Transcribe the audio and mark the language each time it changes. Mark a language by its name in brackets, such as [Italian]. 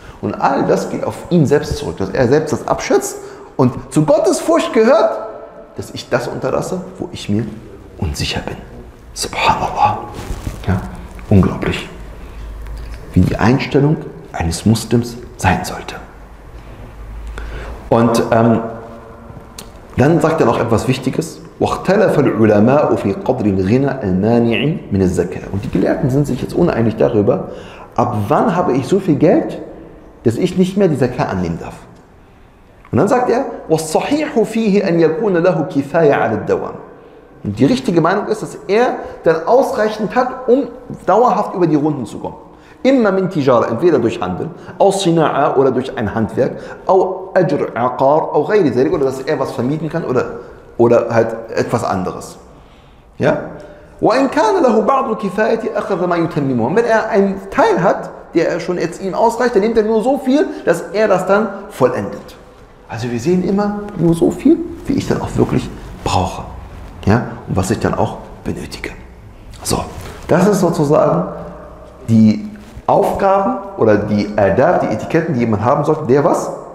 [German] Und all das geht auf ihn selbst zurück, dass er selbst das abschätzt und zu Gottes Furcht gehört, dass ich das unterlasse, wo ich mir unsicher bin. Subhanallah. Ja, unglaublich. Wie die Einstellung eines Muslims sein sollte. Und dann sagt er noch etwas Wichtiges. [Arabic] واختلف العلماء في قدر الغنى المانع من الزكاة. [German] Und die Gelehrten sind sich jetzt uneinig darüber, ab wann habe ich so viel Geld, dass ich nicht mehr die Zakat annehmen darf. Und dann sagt er, [Arabic] والصحيح فيه أن يكون له كفاية على الدوام. [German] Und die richtige Meinung ist, dass er dann ausreichend hat, um dauerhaft über die Runden zu kommen. [Arabic] إما من تجارة, [German] entweder durch Handel, [Arabic] أو صناعة, [German] oder durch ein Handwerk, [Arabic] أو أجر عقار, أو غير ذلك, [German] oder dass er was vermieten kann, oder halt etwas anderes. Ja? [Arabic] وإن كان له بعض الكفاية أخذ ما يتممه. [German] Wenn er einen Teil hat, der schon jetzt ihm ausreicht, dann nimmt er nur so viel, dass er das dann vollendet. Also wir sehen immer nur so viel, wie ich dann auch wirklich brauche. Ja? Und was ich dann auch benötige. So, das ist sozusagen die Aufgaben oder die Adab, die Etiketten, die jemand haben sollte, der was?